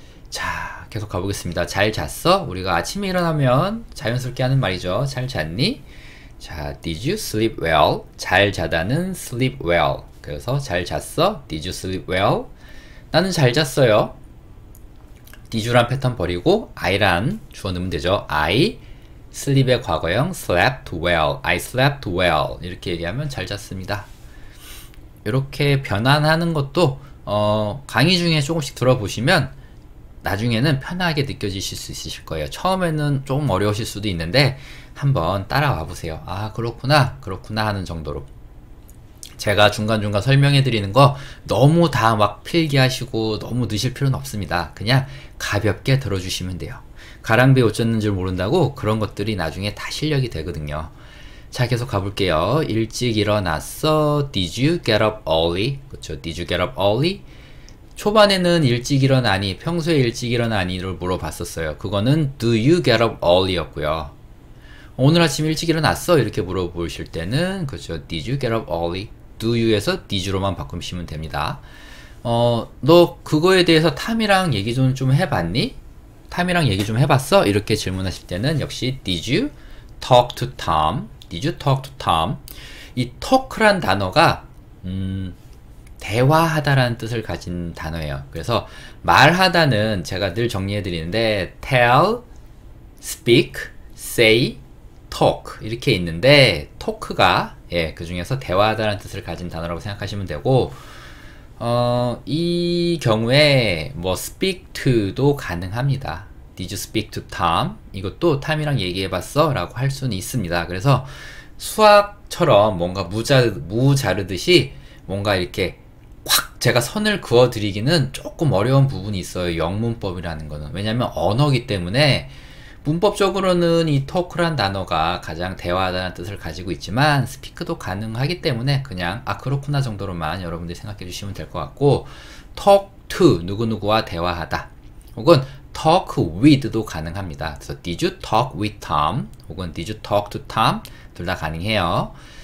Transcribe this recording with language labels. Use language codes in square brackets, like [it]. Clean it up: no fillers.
[ko] 자, 계속 가보겠습니다. 잘 잤어? 우리가 아침에 일어나면 자연스럽게 하는 말이죠. 잘 잤니? 자, [en] Did you sleep well? [ko] 잘 자다는 [en] sleep well. [ko] 그래서 잘 잤어? [en] Did you sleep well? [ko] 나는 잘 잤어요. Did you란 패턴 버리고 I란 주어 넣으면 되죠. [en] I sleep의 과거형 slept well. I slept well. [ko] 이렇게 얘기하면 잘 잤습니다. 이렇게 변환하는 것도 강의 중에 조금씩 들어보시면 나중에는 편하게 느껴지실 수 있으실 거예요. 처음에는 조금 어려우실 수도 있는데 한번 따라와 보세요. 아, 그렇구나, 그렇구나 하는 정도로. 제가 중간중간 설명해 드리는 거 너무 다 막 필기하시고 너무 느실 필요는 없습니다. 그냥 가볍게 들어주시면 돼요. 가랑비 어쩌는 줄 모른다고 그런 것들이 나중에 다 실력이 되거든요. 자, 계속 가볼게요. 일찍 일어났어? [en] Did you get up early? [ko] 그렇죠. [en] Did you get up early? [ko] 초반에는 일찍 일어나니, 평소에 일찍 일어나니를 물어봤었어요. 그거는 [en] Do you get up early였고요. [ko] 오늘 아침 일찍 일어났어? 이렇게 물어보실 때는 그렇죠. [en] Did you get up early? [ko] Do you에서 did you로만 바꾸시면 됩니다. 너 그거에 대해서 탐이랑 얘기 좀 해봤니? 탐이랑 얘기 좀 해봤어? 이렇게 질문하실 때는 역시 [en] Did you talk to Tom? Did you talk to Tom? [ko] 이 talk란 단어가 대화하다라는 뜻을 가진 단어예요. 그래서 말하다는 제가 늘 정리해드리는데 tell, speak, say, talk 이렇게 있는데 talk가 예, 그중에서 대화하다라는 뜻을 가진 단어라고 생각하시면 되고 이 경우에 뭐 speak to도 가능합니다. [en] Did you speak to Tom? [ko] 이것도 Tom이랑 얘기해봤어라고 할 수는 있습니다. 그래서 수학처럼 뭔가 무자르듯이 뭔가 이렇게 확 제가 선을 그어드리기는 조금 어려운 부분이 있어요. 영문법이라는 거는. 왜냐하면 언어기 때문에 문법적으로는 이 talk란 단어가 가장 대화하다는 뜻을 가지고 있지만 speak도 가능하기 때문에 그냥 아 그렇구나 정도로만 여러분들이 생각해 주시면 될것 같고 talk to 누구누구와 대화하다 혹은 talk with도 가능합니다. 그래서 [en] did you talk with Tom 혹은 did you talk to Tom [ko] 둘다 가능해요.